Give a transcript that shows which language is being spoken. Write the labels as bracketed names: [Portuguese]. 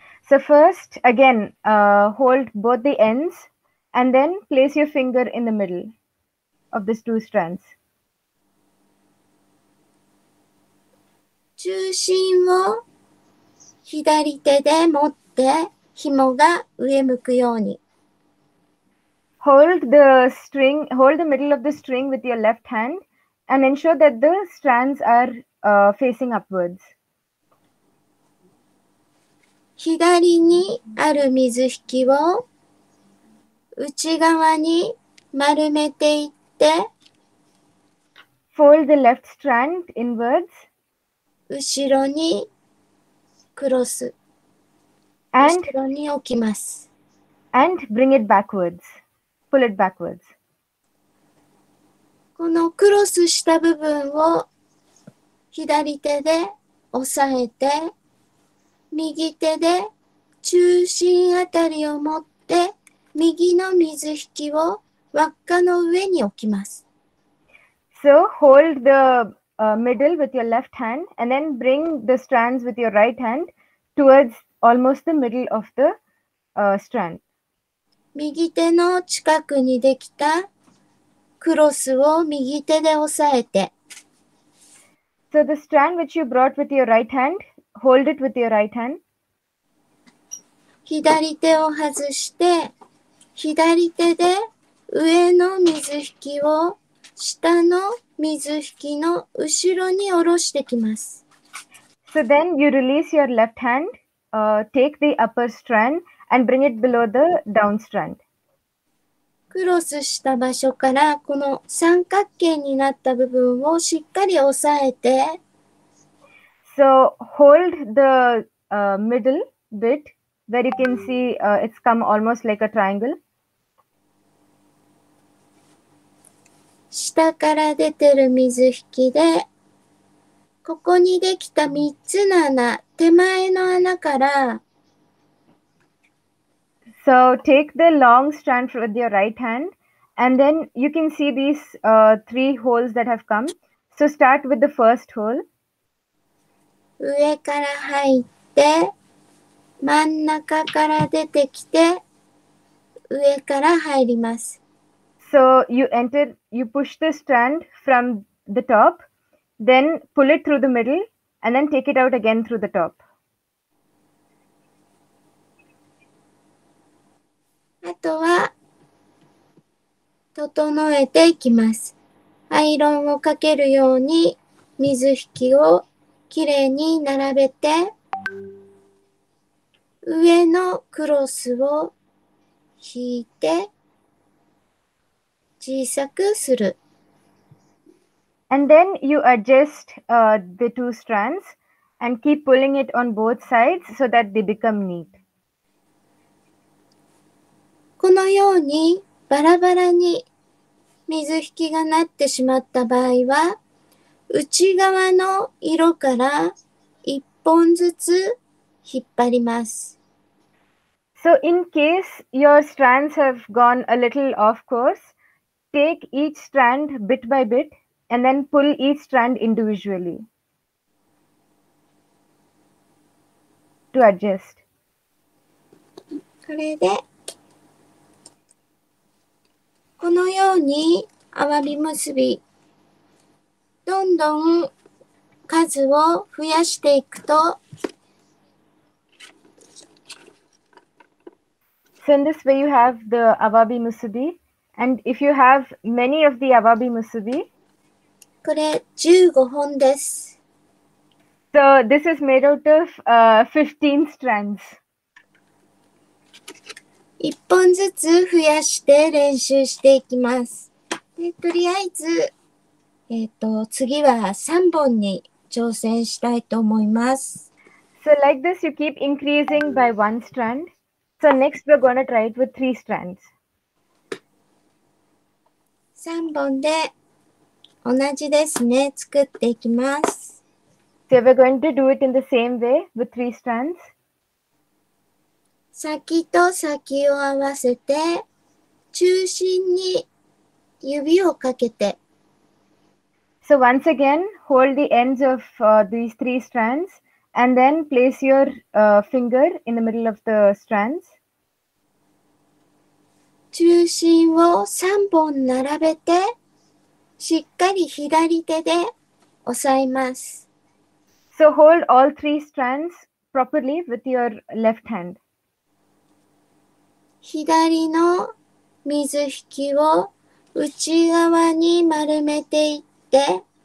[English] So first, again, hold both the ends. And then place your finger in the middle of these two strands. [Japanese] 中心を左手で持って紐が上向くように。 [English] Hold the middle of the string with your left hand and ensure that the strands are facing upwards. [Japanese] 左にある水引きを内側に丸めていって、 [English] Fold the left strand inwards. [Japanese] 後ろにクロス。 [English] And [Japanese] 後ろに置きます。 [English] And bring it backwards. Pull it backwards. [Japanese] このクロスした部分を左手で押さえて、右手で中心あたりを持って、右の水引きを輪っかの上に置きます。 [English] So hold the middle with your left hand and then bring the strands with your right hand towards almost the middle of the strand. [Japanese] 右手の近くにできたクロスを右手で押さえて。 [English] So the strand which you brought with your right hand, hold it with your right hand. [Japanese] 左手を外して左手で上の水引きを下の水引きの後ろに下ろしてきます。 [English] So then you release your left hand, take the upper strand and bring it below the down strand. [Japanese] クロスした場所からこの三角形になった部分をしっかり押さえて。 [English] So hold the middle bit where you can see it's come almost like a triangle. [Japanese] 下から出てる水引きで、ここにできた3つの穴、手前の穴から、 [English] So take the long strand with your right hand, and then you can see these three holes that have come. So start with the first hole. [Japanese] 上から入って、真ん中から出てきて、上から入ります。 [English] So you enter, you push the strand from the top, then pull it through the middle, and then take it out again through the top. [Japanese] あとは、整えていきます。アイロンをかけるように水引きをきれいに並べて、上のクロスを引いて小さくする。 [English] And then you adjust, the two strands and keep pulling it on both sides so that they become neat. [Japanese] このようにバラバラに水引きがなってしまった場合は、内側の色から一本ずつ引っ張ります。 [English] So in case your strands have gone a little off course, take each strand bit by bit and then pull each strand individually to adjust. [Japanese] これで、このようにあわび結び、どんどん数を増やしていくと、 [English] So in this way you have the awabi musubi. And if you have many of the awabi musubi, [Japanese] これ15本です。 [English] So this is made out of 15 strands. [Japanese] 一本ずつ増やして練習していきます。で、とりあえず、次は3本に挑戦したいと思います。 [English] So like this, you keep increasing by one strand. So next we're going to try it with three strands. [Japanese] 3本で同じですね。作っていきます。 [English] So we're going to do it in the same way with three strands. [Japanese] 先と先を合わせて、中心に指をかけて。 [English] So once again, hold the ends of these three strands and then place your finger in the middle of the strands. [Japanese] 中心を3本並べて、しっかり左手で押さえます。 [English] So hold all three strands properly with your left hand. [Japanese] 左の水引きを内側に丸めていって、